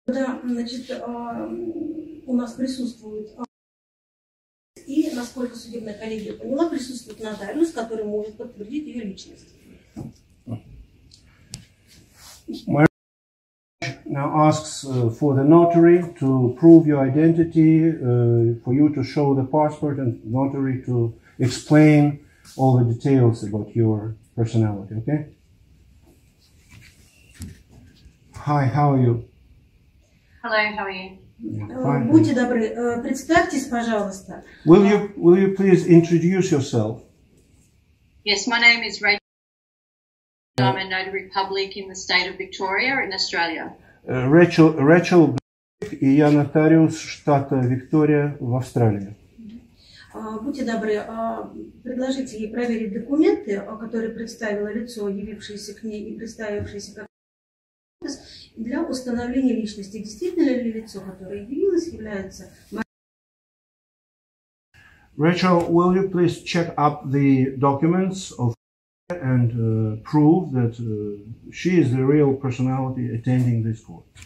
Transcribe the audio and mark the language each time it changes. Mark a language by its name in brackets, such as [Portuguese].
[Russian] Да, значит, у нас присутствует, и, насколько судебная коллегия поняла, присутствует нотариус, который может подтвердить ее личность. [English] Now asks for the notary to prove your identity, for you to show the passport and notary to explain all the details about your personality, okay? Hi, how are you? Hello, how are you? Fine. [Russian] Будьте добры, представьтесь, пожалуйста. [English] Will you please introduce yourself? Yes, my name is Rachel. I'm a notary public in the state of Victoria in Australia. [Russian] Рэчел Блейк, и я нотариус штата Виктория в Австралии. Будьте добры, предложите ей проверить документы, которые представило лицо, явившееся к ней и представившееся как нотариус, для установления личности. Действительно ли лицо, которое явилось, является... [English] Рэчел, will you please check up the documents of and prove that she is the real personality attending this court.